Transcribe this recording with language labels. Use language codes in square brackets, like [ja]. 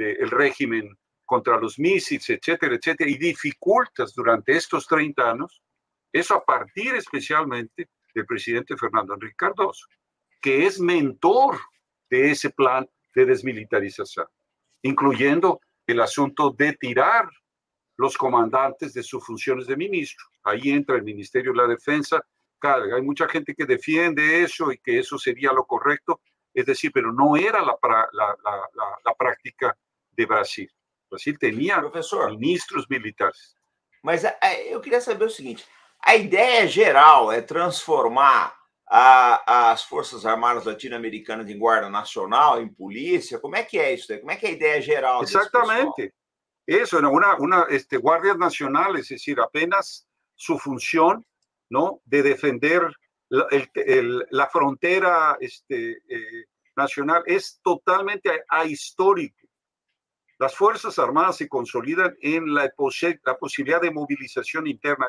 [es] régimen contra los misiles, etcétera, etcétera, y dificultas durante estos 30 años, eso a partir especialmente del presidente Fernando Henrique Cardoso, que es mentor de ese plan de desmilitarización, incluyendo el asunto de tirar los comandantes de sus funciones de ministro. Ahí entra el Ministerio de la Defensa. Claro, hay mucha gente que defiende eso y que eso sería lo correcto. Es decir, pero no era la práctica de Brasil. Brasil tenía [pt] Professor, [es] ministros militares. [pt] Mas eu queria saber o seguinte. A ideia geral é transformar as Forças Armadas Latino-Americanas em Guarda Nacional, em polícia? Como é que é isso? Como é que é a ideia geral? Exatamente. [es] Eso, ¿no? una guardias nacionales, es decir, apenas su función, ¿no?, de defender la frontera nacional es totalmente ahistórico. Las Fuerzas Armadas se consolidan en la posibilidad de movilización interna.